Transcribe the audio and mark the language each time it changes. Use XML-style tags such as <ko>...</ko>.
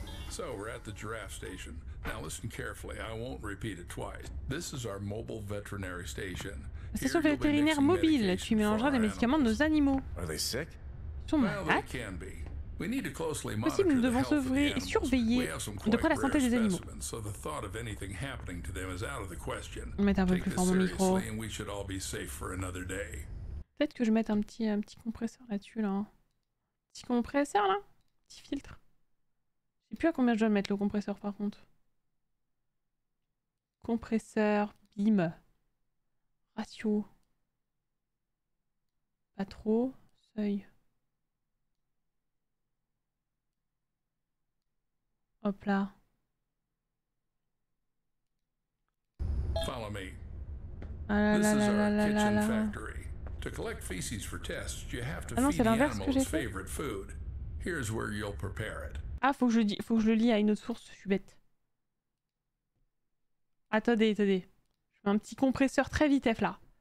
<en>So we're at the giraffe station. Now listen carefully, I won't repeat it twice. This is our mobile veterinary station.</en> <fr>Station vétérinaire mobile, tu mélangeras des médicaments de nos animaux.</fr> <en>Are they sick?</en> <fr>Ils sont malades?</fr> <en>We need to closely monitor the health of the animals.</en> <fr>Surveiller de près la santé des animaux.</fr> <en>So the thought of anything happening to them is out of the question.</en> <fr>Mettre un peu plus fort mon micro.</fr> <en>And we should all be safe for another day.</en> <fr>Peut-être que je mette un petit compresseur là-dessus là. Petit compresseur là. Petit filtre. Et puis à combien je dois mettre le compresseur par contre? Compresseur, bim. Ratio. Pas trop. Seuil. Hop là.</fr> <en>Follow me.</en> <fr>Ah là là là là là là.</fr> <en>To collect feces for tests, you have to feed the animal's favorite food. Here's where you'll prepare it.</en> <fr>Ah, faut que je le lis à une autre source, je suis bête. Attendez. Je mets un petit compresseur très vite, F là.</fr>